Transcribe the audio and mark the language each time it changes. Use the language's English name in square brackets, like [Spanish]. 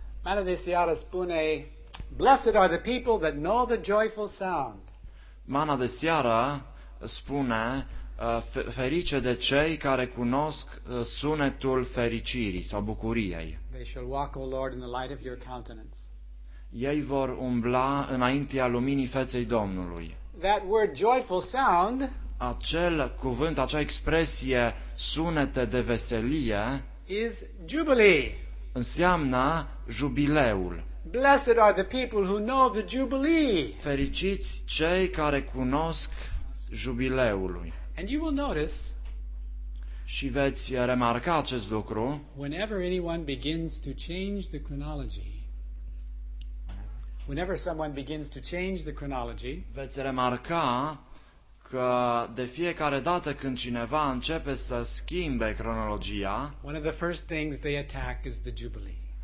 [Romanian] Mana de seară spune, [English] blessed are the people that know the joyful sound. [Romanian] Mana de seară spune, ferice de cei care cunosc sunetul fericirii sau bucuriei. [English] They shall walk, O Lord, in the light of your countenance. [Romanian] Ei vor umbla înaintea luminii feței Domnului. [English] That word joyful sound, [Romanian] acel cuvânt, acea expresie, sunete de veselie, [English] is jubilee. [Romanian] Înseamnă jubileul. [English] Blessed are the people who know the jubilee. [Romanian] Fericiți cei care cunosc jubileului. [English] And you will notice, [Romanian] și veți remarca acest lucru, [English] whenever anyone begins to change the chronology, whenever someone begins to change the chronology, [Romanian] veți remarca că de fiecare dată când cineva începe să schimbe cronologia, [English] one of the first things they attack is the jubilee.